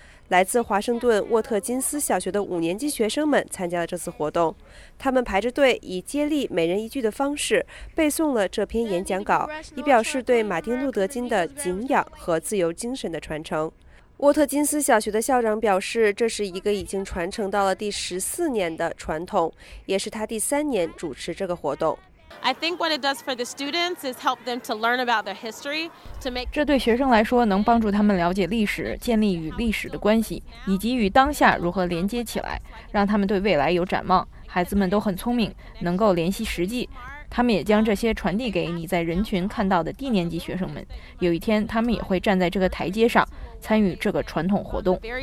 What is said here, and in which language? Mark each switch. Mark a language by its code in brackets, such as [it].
[zh] 来自华盛顿沃特金斯小学的5年级学生们参加了这次活动，他们排着队以接力每人一句的方式背诵了这篇演讲稿，以表示对马丁·路德·金的敬仰和自由精神的传承。沃特金斯小学的校长表示，这是一个已经传承到了第14年的传统，也是他第3年主持这个活动。 [en] I think what it does for the students is help them to learn about their history. [zh] 这对学生来说能帮助他们了解历史，建立与历史的关系，以及与当下如何连接起来，让他们对未来有展望。孩子们都很聪明，能够联系实际。他们也将这些传递给你在人群看到的低年级学生们。有一天，他们也会站在这个台阶上，参与这个传统活动。